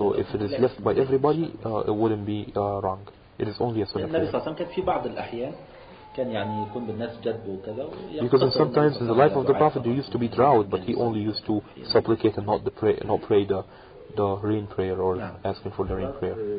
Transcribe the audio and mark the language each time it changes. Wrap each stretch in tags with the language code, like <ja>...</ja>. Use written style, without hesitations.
<en>So if it is left by everybody, it wouldn't be wrong. It is only a sunnah.</en> <ar>النبي صلى الله عليه وسلم كان في بعض الأحيان كان يعني يكون بالناس جذب وكذا.</ar> <en>Because in sometimes in the life of the prophet there used to be drought, but he only used to supplicate and not pray the rain prayer or asking for the rain prayer.</en>